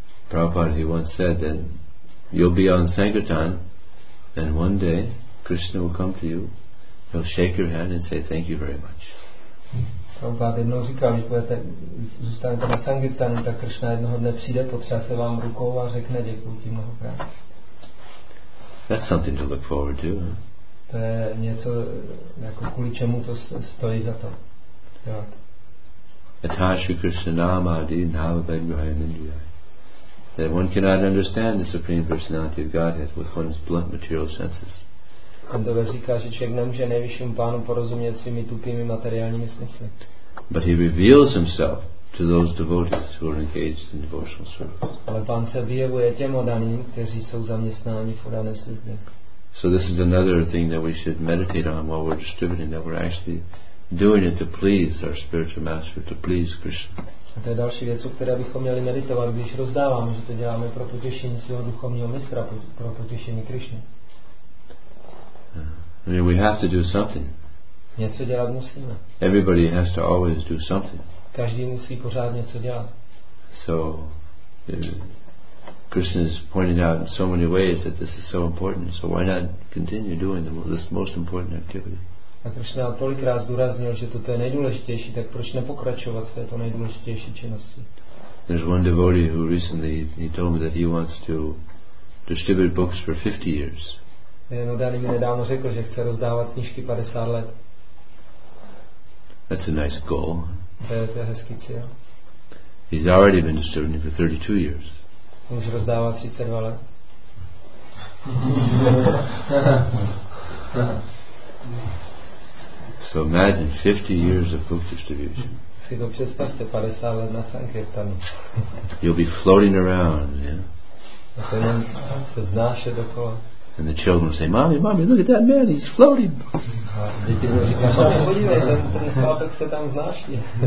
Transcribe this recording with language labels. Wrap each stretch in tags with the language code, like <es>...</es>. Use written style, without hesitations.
<en>Prabhupada, he once said that you'll be on Sankirtan and one day Krishna will come to you, he'll shake your hand and say thank you very much.</en> <cs>Prabhupada jednou říkal, když budete zůstanete na Sankirtanu, tak Krishna jednoho dne přijde, potřase vám rukou a řekne děkuji ti mnohokrát.</cs> <en>That's something to look forward to, huh?</en> <cs>To je něco, jako kvůli čemu to stojí za to.</cs> <sa>Atashu Krishnamadi Navabhagraha Nindriyai.</sa> <en>That one cannot understand the Supreme Personality of Godhead with one's blunt material senses.</en> <cs>Kandava říká, že člověk nemůže nejvyšším pánu porozumět svými tupými materiálními smysly.</cs> <en>But he reveals himself to those devotees who are engaged in devotional service.</en> <cs>Ale pán se vyjevuje těm odaným, kteří jsou zaměstnáni v odané službě.</cs> <en>So this is another thing that we should meditate on while we're distributing, that we're actually doing it to please our spiritual master, to please Krishna.</en> <cs>A to je další věc, o které bychom měli meditovat, když rozdáváme, že to děláme pro potěšení svého duchovního mistra, pro potěšení Krishny.</cs> <en>I mean, we have to do something.</en> <cs>Něco dělat musíme.</cs> <en>Everybody has to always do something.</en> <cs>Každý musí pořád něco dělat.</cs> <en>So Krishna is pointing out in so many ways that this is so important, so why not continue doing this most important activity?</en> <cs>A Krishna tolikrát zdůraznil, že toto je nejdůležitější, tak proč nepokračovat v této nejdůležitější činnosti?</cs> <en>There's one devotee who recently he told me that he wants to distribute books for 50 years.</en> <cs>No, dali mi nedávno řekl, že chce rozdávat knížky 50 let.</cs> <en>That's a nice goal.</en> <cs>To je hezký cíl.</cs> <en>He's already been distributing for 32 years.</en> <cs>Už rozdává 32 let.</cs> <en>So imagine 50 years of book distribution.</en> <cs>Si to představte, 50 let na Sankirtanu.</cs> <en>You'll be floating around, yeah.</en> <cs>A to jen se znáše dokola.</cs> <en>And the children say, "Mommy, mommy, look at that man, he's floating."</en> <cs>Děti mu říká, mami, podívej, ten chlapek se tam znáší.</cs>